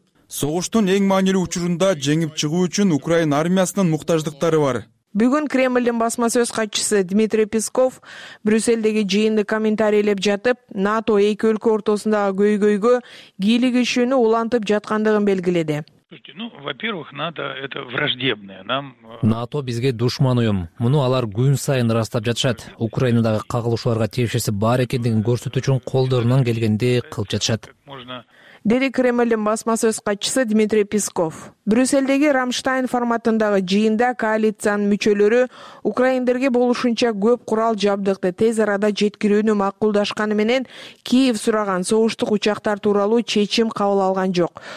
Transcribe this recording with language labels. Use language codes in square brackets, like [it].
[ky] Согуштун эң маанилүү учурунда жеңип чыгуу үчүн Украин армиясынын муктаждыктары бар. Бүгүн Кремлдин басма сөз катчысы Дмитрий Песков Брюссельдеги жыйынды комментарийлеп жатып, НАТО эки өлкө ортосундагы көйгөйгө кийлигишүүнү улантып жаткандыгын белгиледи. [ru] Во-первых, НАТО это враждебное. [ky] НАТО бизге душман уюм. Муну алар күн сайын ырастап жатышат. Украинадагы кагылышууларга тиешеси бар экендигин көрсөтүү үчүн колдорунан келгенди кылып жатышат. Деди Кремлдин басма сөз катчысы Дмитрий Песков. Брюссельдеги Рамштайн форматындагы жыйында коалициянын мүчөлөрү украиндерге болушунча көп курал жабдыкты тез арада жеткирүүнү макулдашканы менен Киев сураган согуштук учактар тууралуу чечим кабыл алган жок.